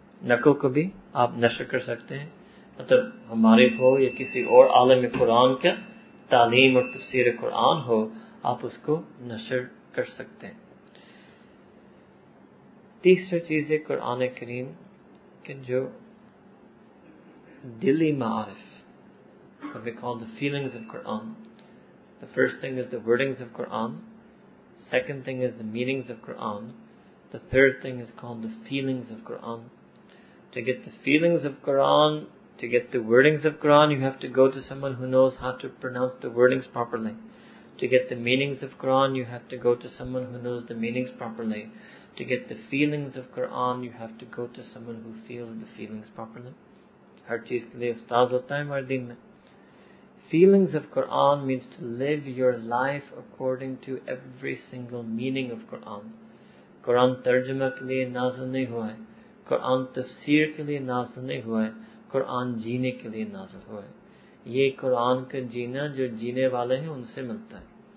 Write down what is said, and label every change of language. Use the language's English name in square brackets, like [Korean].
[Urdu] نقل کو بھی آپ نشر کر سکتے ہیں، مطلب ہمارے ہو یا کسی اور عالم قرآن کا تعلیم اور تفسیر قرآن ہو، آپ اس کو نشر کر سکتے ہیں۔ تیسری چیز ہے قرآن کریم کے جو دلی معارف، [English] what we call the feelings of Quran. The first thing is the wordings of Quran. Second thing is the meanings of Quran. The third thing is called the feelings of Quran. To get the feelings of Quran, to get the wordings of Quran, you have to go to someone who knows how to pronounce the wordings properly. To get the meanings of Quran, you have to go to someone who knows the meanings properly. To get the feelings of Quran, you have to go to someone who feels the feelings properly. [Urdu] ہر چیز کے لیے استاذ ہوتا ہے ہمارے دین میں۔ [English] Feelings of Quran means to live your life according to every single meaning of Quran. [Urdu] قرآن ترجمہ کے لیے نازل نہیں ہوا ہے، قرآن تفسیر کے لیے نازل نہیں ہوا ہے، قرآن جینے کے لیے نازل ہوا ہے۔ یہ قرآن کا جینا جو جینے والے ہیں ان سے ملتا ہے،